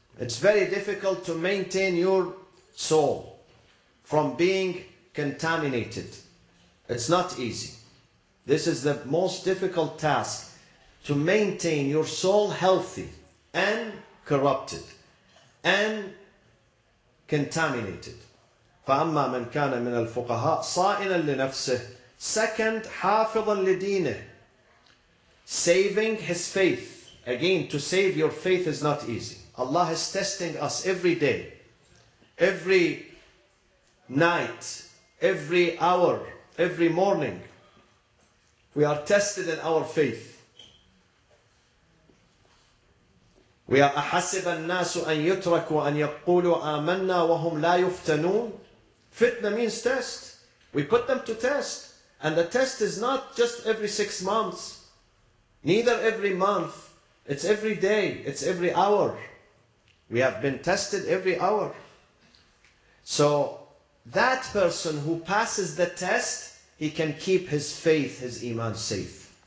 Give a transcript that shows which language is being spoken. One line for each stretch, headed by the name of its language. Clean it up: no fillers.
English: It's very difficult to maintain your soul from being contaminated. It's not easy. This is the most difficult task, to maintain your soul healthy and corrupted and contaminated.
Arabic: فَأَمَّا مَنْ كَانَ مِنَ الْفُقَهَاءِ صَائِنًا لِنَفْسِهِ. Second, حَافِظًا لِدِينِهِ.
English: Saving his faith. Again, to save your faith is not easy. Allah is testing us every day, every night, every hour, every morning. We are tested in our faith. We are
Arabic: أَحَسِبَ النَّاسُ أَن يُتْرَكُوا أَن يَقُولُوا آمَنَّا وَهُمْ لَا يُفْتَنُونَ.
English: Fitna means test. We put them to test. And the test is not just every 6 months. Neither every month, it's every day, it's every hour. We have been tested every hour. So that person who passes the test, he can keep his faith, his iman safe.